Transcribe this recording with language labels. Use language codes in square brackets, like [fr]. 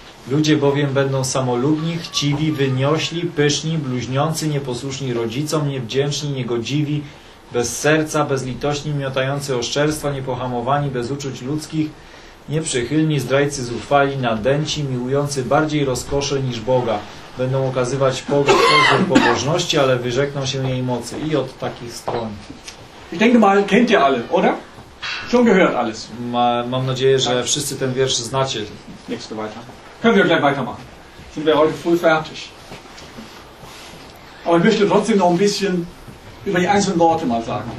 [pl] Ludzie bowiem będą samolubni, chciwi, wyniośli, pyszni, bluźniący, nieposłuszni rodzicom, niewdzięczni, niegodziwi, bez serca, bezlitośni, miotający oszczerstwa, niepohamowani, bez uczuć ludzkich, nieprzychylni, zdrajcy, zuchwali, nadęci, miłujący bardziej rozkosze niż Boga. Będą okazywać pozór pobożności, ale wyrzekną się jej mocy. I od takich stron. [de] Ich denke mal, kennt ihr alle, oder? Schon gehört alles. [pl] Mam nadzieję, że wszyscy ten wiersz znacie. [de] Nächste weiter. Können wir gleich weitermachen. Sind wir heute früh fertig. Aber ich möchte trotzdem noch ein bisschen über die einzelnen Worte mal sagen.